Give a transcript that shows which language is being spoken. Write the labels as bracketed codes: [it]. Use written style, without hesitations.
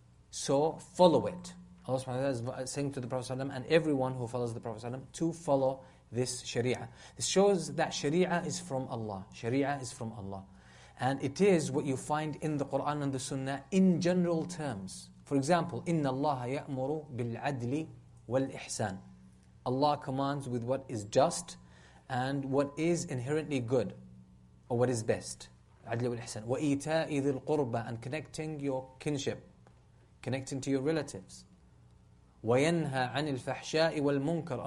[en] So follow it. Allah subhanahu wa ta'ala is saying to the Prophet ﷺ and everyone who follows the Prophet ﷺ to follow this sharia. This shows that sharia is from Allah. Sharia is from Allah. And it is what you find in the Quran and the Sunnah in general terms. For example, [ar] إِنَّ اللَّهَ يَأْمُرُ بِالْعَدْلِ وَالْإِحْسَانِ. [en] Allah commands with what is just and what is inherently good, or what is best. [ar] عَدْلِ وَالْإِحْسَانِ. وَإِيْتَاءِ ذِي الْقُرْبَى. [en] And connecting your kinship, connecting to your relatives. [ar] وَيَنْهَى عَنِ الْفَحْشَاءِ وَالْمُنْكَرِ.